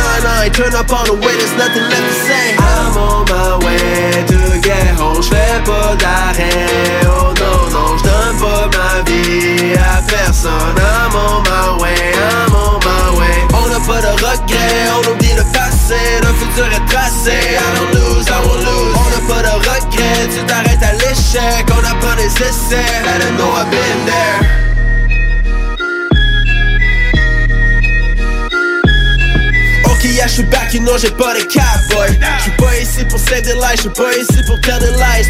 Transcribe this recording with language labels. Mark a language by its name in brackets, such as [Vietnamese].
[English] Nah, I turn up all the way, there's nothing left to say. I'm on my way to get home, [French] j'fais pas d'arrêt. Oh non, non, j'donne pas ma vie à personne. [English] I'm on my way, I'm on my way. [French] On n'a pas de regrets, on oublie le passé. Le futur est tracé, [English] I don't lose, I won't lose. [French] On n'a pas de regrets, tu t'arrêtes à l'échec. On n'a pas des essais, [English] let them know I've been there. Yeah, [French] j'suis [English] back, you know [French] j'ai pas de cap, [English] boy. [French] J'suis pas ici pour [English] save the lies, [French] j'suis pas ici pour [English] tell the lies.